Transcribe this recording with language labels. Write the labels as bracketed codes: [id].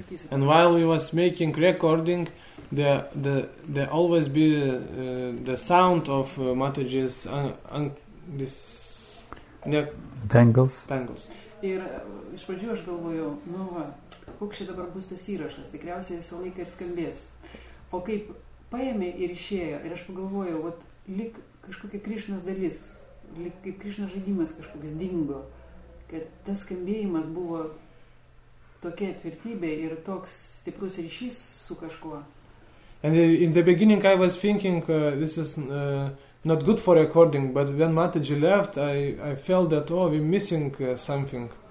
[en] And while we was making recording, there always be the sound of Mataji's this bangles. Bangles. [lt] Ir iš pradžių aš galvojau, nu va, koks čia dabar bus tas įrašas, tikriausiai visą laiką ir skambės. O kaip paėmė ir išėjo, ir aš pagalvojau, vat, lyg kažkokia Krišnos dalis, lyg kaip Krišnos žaidimas kažkoks dingo, kad tas skambėjimas buvo tokia tvirtybė ir toks stiprus ryšys su kažkuo. [en] And in the beginning I was thinking this is not good for recording, but when Mataji left, I felt that, oh, we're missing something.